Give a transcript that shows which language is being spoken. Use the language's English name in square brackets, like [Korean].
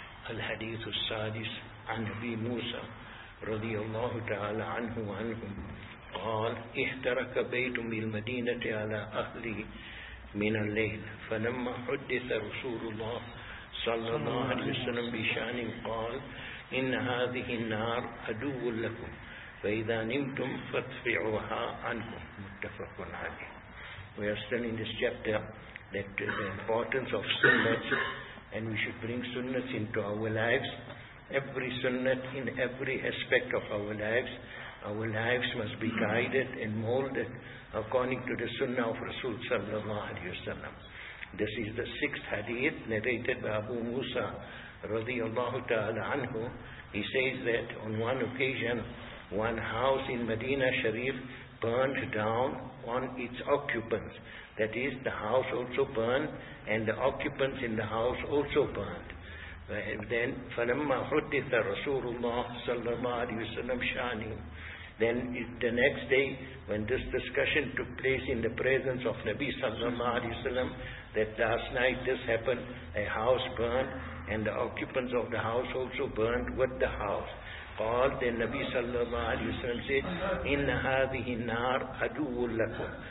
[Arabic] الحديث السادس عن أبي موسى رضي الله تعالى عنه وعنهم قال: احترق بيت بالمدينة على أهله من الليل، فلما حدث رسول الله صلى الله عليه وسلم بشأن قال: إن هذه النار عدو لكم، فإذا نمتم فاطفئوها عنكم. متفق عليه. [English] We are still in this chapter that the importance of sunnah, and we should bring sunnahs into our lives. Every sunnah in every aspect of our lives. Our lives must be guided and molded according to the sunnah of Rasul sallallahu alayhi wa sallam. This is the sixth hadith narrated by Abu Musa radiallahu ta'ala anhu. He says that on one occasion, one house in Medina Sharif burned down on its occupants. That is, the house also burned and the occupants in the house also burned. Then [Arabic] فَلَمَّا حُدِّثَ رَسُولُ اللَّهِ صَلَّى اللَّهُ عَلَيْهِ وَسَلَّمْ شَانِهُ. [English] Then the next day, when this discussion took place in the presence of Nabi sallallahu alayhi wasallam, that last night this happened, a house burned and the occupants of the house also burned with the house. [Arabic] قال [English] then Nabi [Arabic] sallallahu alayhi wasallam [English] said, [Arabic] إن هذه النار عدو لكم.